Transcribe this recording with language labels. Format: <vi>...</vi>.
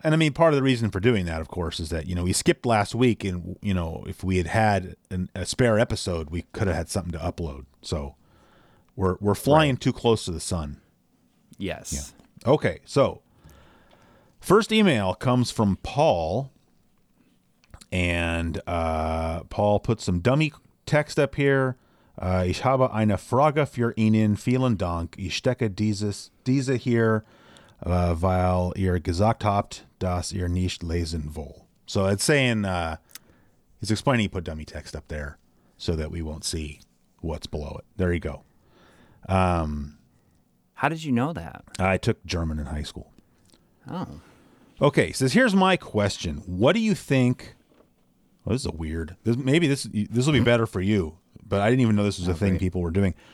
<en>And I mean, part of the reason for doing that, of course, is that, you know, we skipped last week and, you know, if we had had a spare episode, we could have had something to upload. So we're flying too close to the sun. Yes. Yeah. Okay. So first email comes from Paul. And Paul put some dummy text up here.</en> <de>Ich habe eine Frage für Ihnen. Vielen Dank. Ich stecke diese hier. Weil ihr gesagt habt, dass ihr nicht lesen wollt.</de> <en>So it's saying, he's explaining he put dummy text up there so that we won't see what's below it. There you go. How did you know that? I took German in high school. Oh. Okay, says, here's my question. What do you think, well, this is a weird, this, maybe this will be better for you, but I didn't even know this was a thing people were doing.</en>